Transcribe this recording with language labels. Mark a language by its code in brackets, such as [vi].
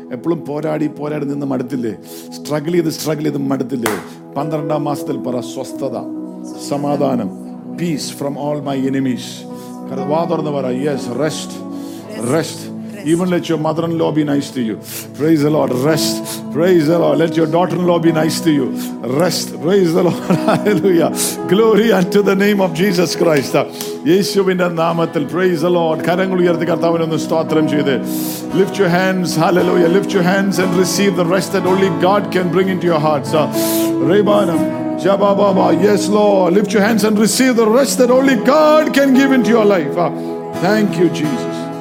[ml] എപ്പോഴും പോരാടി പോരാടി നിന്ന് മടുത്തില്ലേ സ്ട്രഗിൾ ചെയ്ത് മടുത്തില്ലേ 12-ാം മാസത്തിൽ പറ സ്വസ്ഥത സമാധാനം [en] peace from all my enemies [ml] വാ തുറന്ന് പറ yes rest [en] Even let your mother-in-law be nice to you. Praise the Lord. Rest. Praise the Lord. Let your daughter-in-law be nice to you. Rest. Praise the Lord. Hallelujah. Glory unto the name of Jesus Christ. [ml] യേശുവിന്റെ നാമത്തിൽ [en] Praise the Lord. [ml] കരങ്ങൾ ഉയർത്തി കർത്താവിനെ ഒന്ന് സ്തോത്രം ചെയ്തു. [en] Lift your hands. Hallelujah. Lift your hands and receive the rest that only God can bring into your hearts. Rebanam. Jabba Baba. Yes, Lord. Lift your hands and receive the rest that only God can give into your life. Thank you, Jesus.